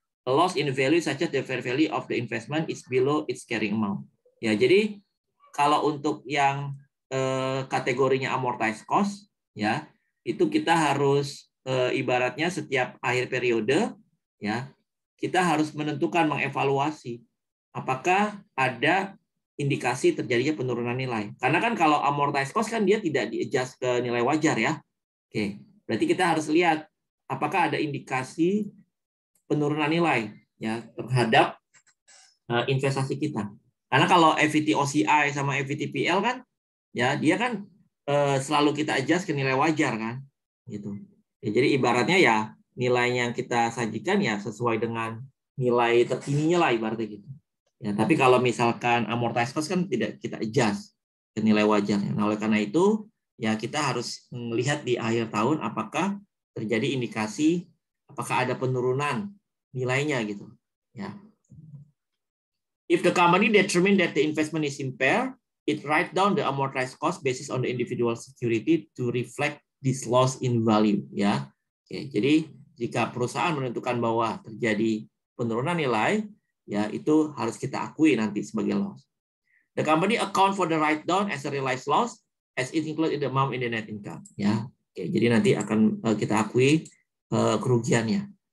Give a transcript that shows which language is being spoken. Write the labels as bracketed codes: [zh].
[en] A loss in value such as the fair value of the investment is below its carrying amount. [id] Ya, jadi kalau untuk yang kategorinya amortized cost ya, itu kita harus ibaratnya setiap akhir periode ya, kita harus menentukan, mengevaluasi apakah ada indikasi terjadinya penurunan nilai. Karena kan kalau amortized cost kan dia tidak di-adjust ke nilai wajar ya. Oke. Berarti kita harus lihat apakah ada indikasi penurunan nilai ya terhadap investasi kita. Karena kalau EVT OCI sama EVT PL kan ya, dia kan selalu kita adjust ke nilai wajar kan gitu. Ya, jadi ibaratnya ya nilai yang kita sajikan ya sesuai dengan nilai terkininya lah ibaratnya gitu. Ya, tapi kalau misalkan amortized cost kan tidak kita adjust ke nilai wajar. Nah, oleh karena itu ya kita harus melihat di akhir tahun apakah terjadi indikasi apakah ada penurunan nilainya gitu. Ya. [en] If the company determine that the investment is impaired, it write down the amortized cost basis on the individual security to reflect this loss in value. [id] Ya. Oke, jadi jika perusahaan menentukan bahwa terjadi penurunan nilai, ya itu harus kita akui nanti sebagai loss. [en] The company account for the write down as a realized loss as it included in the amount in the net income. [id] Ya. Oke, jadi nanti akan kita akui kerugiannya.